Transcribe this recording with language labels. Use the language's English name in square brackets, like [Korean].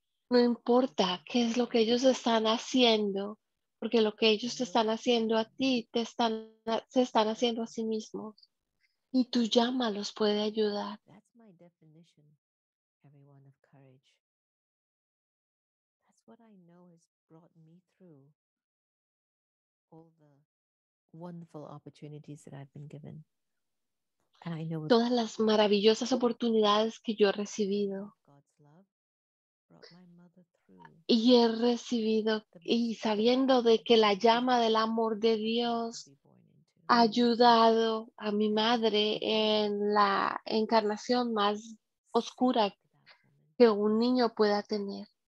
[Spanish] No importa qué es lo que ellos están haciendo, porque lo que ellos te están haciendo a ti, se están haciendo a sí mismos. Y tu llama los puede ayudar. [English] That's my definition, everyone, of courage. That's what I know has brought me through all the wonderful opportunities that I've been given. And I know [Spanish] todas las maravillosas oportunidades que yo he recibido. [English] God's love brought my mother through. [Spanish] Y he recibido, y sabiendo de que la llama del amor de Dios ha ayudado a mi madre en la encarnación más oscura que un niño pueda tener.